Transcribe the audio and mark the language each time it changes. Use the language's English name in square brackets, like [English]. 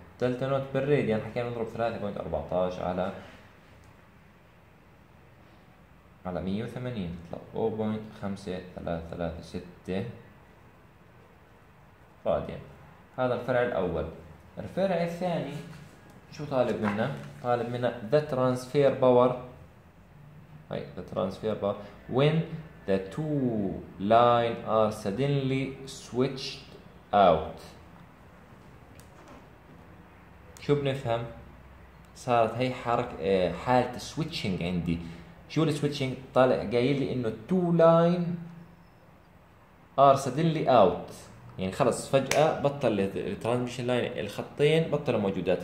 [Arabic] دلتا نوت بالريد، يعني حكينا نضرب 3.14 على 180 يطلع 0.5336 راديان. هذا الفرع الأول. الفرع الثاني شو طالب منا؟ طالب منا [English] the transfer power. هاي the transfer power when the two line are suddenly switched out. [Arabic] شو بنفهم؟ صارت هي حالة switching عندي. شو ال switching؟ طالع قايل لي إنه [English] two line are suddenly out، [Arabic] يعني خلص فجأة بطل الترانزميشن لاين، الخطين بطلوا موجودات.